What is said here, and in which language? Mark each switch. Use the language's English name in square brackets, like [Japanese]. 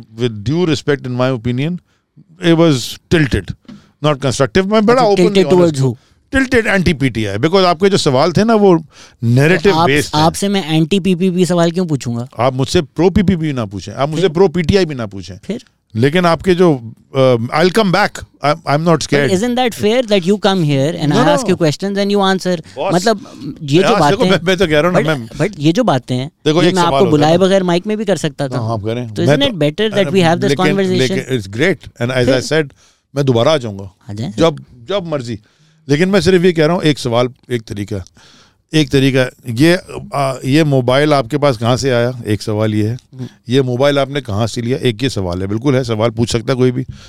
[English] with due respect in my opinion it was tilted not constructive [Urdu] میں بڑا [English] open towards ہو [Urdu] tilted anti P T I because آپ کے جو سوال تھے نا وہ نیریٹو بیس آپ سے میں اینٹی پی پی بھی سوال کیوں پوچھوں گا آپ مجھ سے پرو پی پی بھی نہ پوچھیں آپ مجھ سے پرو پی ٹی آئی بھی نہ پوچھیں لیکن آپ کے جو [English] I'll come back. I'm not scared. But isn't that fair that you come here and I ask you questions and you answer? [Urdu] مطلب یہ جو باتیں ہیں میں تو کہہ رہا ہوں نا میم بٹ یہ جو باتیں ہیں دیکھو ایک سوال ہوتا میں آپ کو بلائے بغیر مائک میں بھی کر سکتا تھا آپ کریں [English] تو isn't it better that we have this conversation? It's great and as I said [Urdu] میں دوبارہ آ جاؤں گا جب مرضی لیکن میں صرف یہ کہہ رہا ہوں ایک سوال ایک طریقہ یہ موبائل آپ کے پاس کہاں سے آیا ایک سوال یہ ہے یہ موبائل آپ نے کہاں سے لیا ایک یہ سوال ہے بالکل ہے سوال پوچھ سکتا ہے کوئی بھی